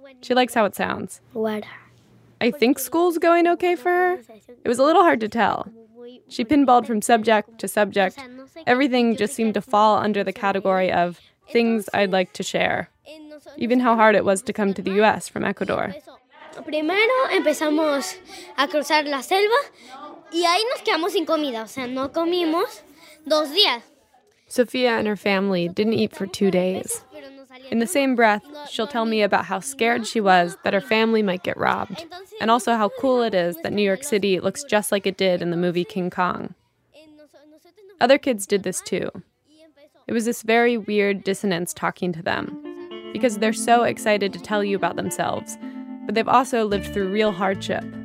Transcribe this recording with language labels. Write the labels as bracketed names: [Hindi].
[English] She likes how it sounds. I think school's going okay for her. It was a little hard to tell. She pinballed from subject to subject. Everything just seemed to fall under the category of things I'd like to share. Even how hard it was to come to the U.S. from Ecuador. [Spanish] Primero empezamos a cruzar la selva y ahí nos quedamos sin comida. O sea, no comimos 2 días. [English] Sofia and her family didn't eat for 2 days. In the same breath, she'll tell me about how scared she was that her family might get robbed, and also how cool it is that New York City looks just like it did in the movie King Kong. Other kids did this too. It was this very weird dissonance talking to them, because they're so excited to tell you about themselves, but they've also lived through real hardship.